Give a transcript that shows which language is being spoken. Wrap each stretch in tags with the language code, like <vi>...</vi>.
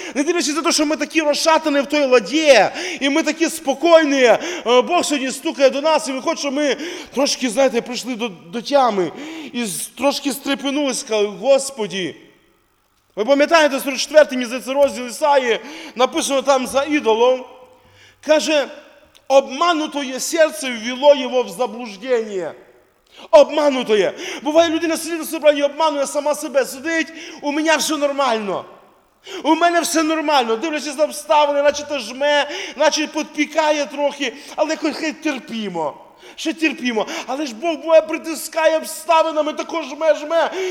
<uk>Не дивлячись на те, що ми такі розшатані в той ладі, і ми такі спокійні. Бог сьогодні стукає до нас, і він хоче, щоб ми трошки, знаєте, прийшли до тями. І трошки стрепенулися, сказали, Господі. Ви пам'ятаєте, 44-й розділ Ісаї, написано там за ідолом.</uk> <ru>Каже, обманутое серце ввело его в заблуждение. Обманутое.</ru> <uk>Буває, людина сидить на собранні, обманує сама себе. Сидить, у мене все нормально. У мене все нормально. Дивлячись на обставини, наче то жме, наче підпікає трохи. Але хай терпімо. Ще терпімо. Але ж Бог буває притискає обставинами, також жме-жме.</uk>